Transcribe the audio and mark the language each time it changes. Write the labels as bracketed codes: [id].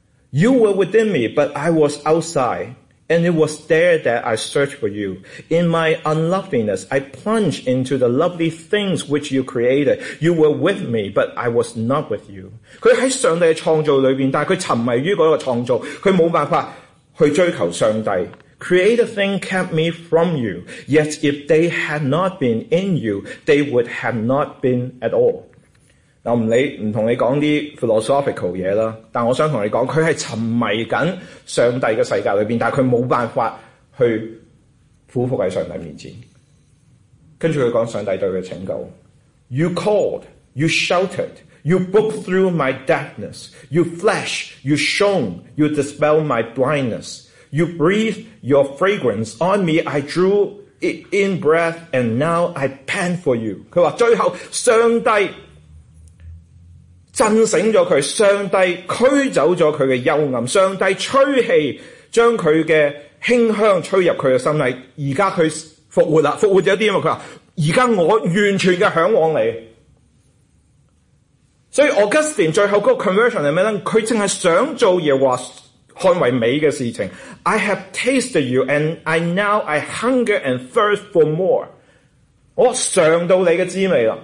[en] You were within me, but I was outside. And it was there that I searched for you. In my unloveliness, I plunged into the lovely things which you created. You were with me, but I was not with you. [zh] 他在上帝的创造里面，但是他沉迷于那个创造，他没办法去追求上帝。 [en] Created thing kept me from you, yet if they had not been in you, they would have not been at all. [zh] 我不跟你讲一些 philosophical 嘢啦，但我想跟你讲，他是沉迷紧上帝的世界里面，但他没有办法去俯伏在上帝面前。跟着他讲上帝对他的拯救。 [en] You called, you shouted, you broke through my darkness, you flashed, you shone, you dispelled my blindness, you breathed your fragrance on me, I drew it in breath, and now I pant for you. [zh] 他说最后上帝震醒了他，上帝驱走了他的幽暗，上帝吹气将他的馨香吹入他的心里，现在他复活了，复活了一点，他说现在我完全的向往你。所以 Augustine 最后那个 conversion 是什么呢？他只是想做耶和华看为美的事情。 [en] I have tasted you and I now I hunger and thirst for more， [zh] 我尝到你的滋味了。